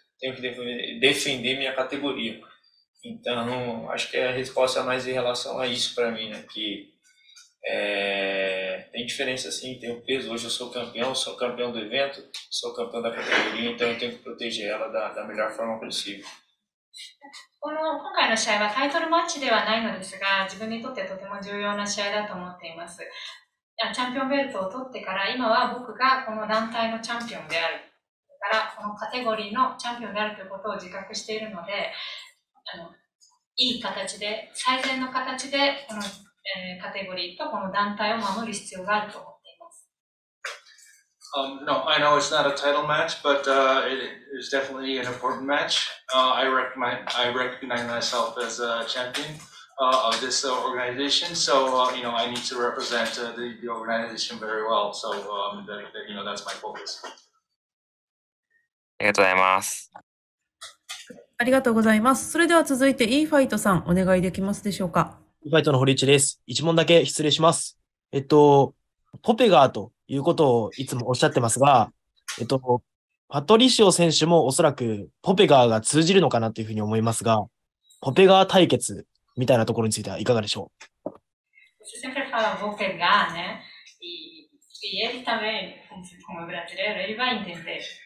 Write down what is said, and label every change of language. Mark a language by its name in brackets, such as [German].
[Portuguese] Tenho que defender minha categoria. Então, acho que a resposta é mais em relação a isso para mim, né? Que é, tem diferença sim, tem o peso. Hoje eu sou campeão do evento, sou campeão da categoria, então eu tenho que proteger ela da melhor forma possível. [Japanese] この今回の試合はタイトルマッチではないのですが、自分にとってとても重要な試合だと思っています。チャンピオンベルトを取ってから、今は僕がこの団体のチャンピオンである。からこのカテゴリーのチャンピオンであるということを自覚しているので、いい形で、最善の形でこの、カテゴリーとこの団体を守る必要があると思っています。 [English] No, I know it's not a title match, but it is definitely an important match. I recognize myself as a champion of this organization, so I need to represent the organization very well. So that's my focus. [Japanese] ありがとうございます。ありがとうございます。それでは続いて E ファイトさんお願いできますでしょうか。 E ファイトの堀内です。一問だけ失礼します。ポペガーということをいつもおっしゃってますが、パトリシオ選手もおそらくポペガーが通じるのかなというふうに思いますが、ポペガー対決みたいなところについてはいかがでしょう。私はポペガーね。 [Portuguese] E ele também, como brasileiro, ele vai entender